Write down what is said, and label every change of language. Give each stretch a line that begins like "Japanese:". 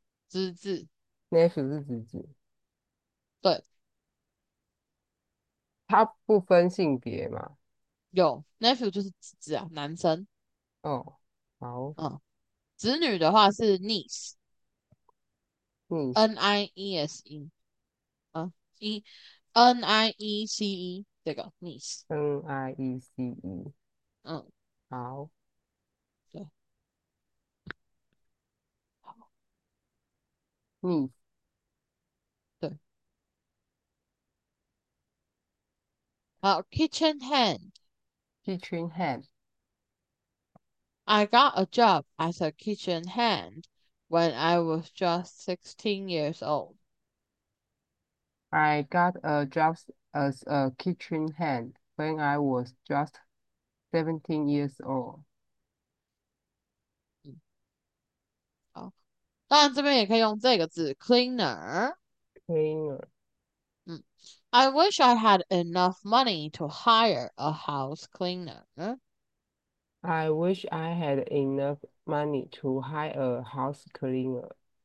Chinese: 资质。 nephew 是侄子？对，他不分性别吗？有 nephew 就是侄子啊，男生。哦，好。子女的话是 niece。
English: Nice。 niece，niece 这个 niece， NIECE，好，你，好，kitchen hand，I kitchen hand。 got a job as a kitchen hand。 When I was just 16 years old. I got a job as a kitchen hand when I was just 17 years old.
Chinese: 当然这边也可以用这个字 cleaner.
English: Cleaner. I wish I had enough money to hire a house cleaner. I wish I had enough money to hire a house cleaner.